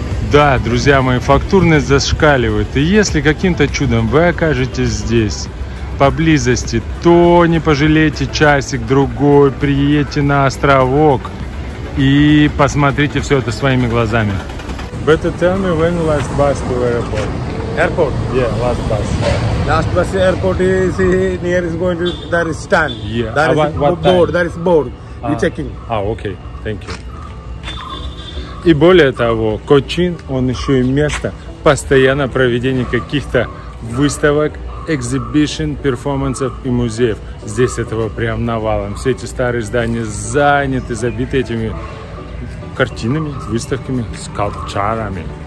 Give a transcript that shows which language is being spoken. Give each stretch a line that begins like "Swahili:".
Russian: Да, друзья мои, фактурность зашкаливает. И если каким-то чудом вы окажетесь здесь, поблизости, то не пожалейте часик-другой, приедьте на островок и посмотрите все это своими глазами.
English: Better tell me when last bus to airport. Airport? Yeah, last bus. Last bus airport is near is going to, there is stand. Yeah. There is what board, time? There is board. You checking. Okay, thank you.
Russian: И более того, Кочин, он еще и место постоянно проведения каких-то выставок, экзибишн, перформансов и музеев. Здесь этого прям навалом. Все эти старые здания заняты, забиты этими картинами, выставками, скульптурами.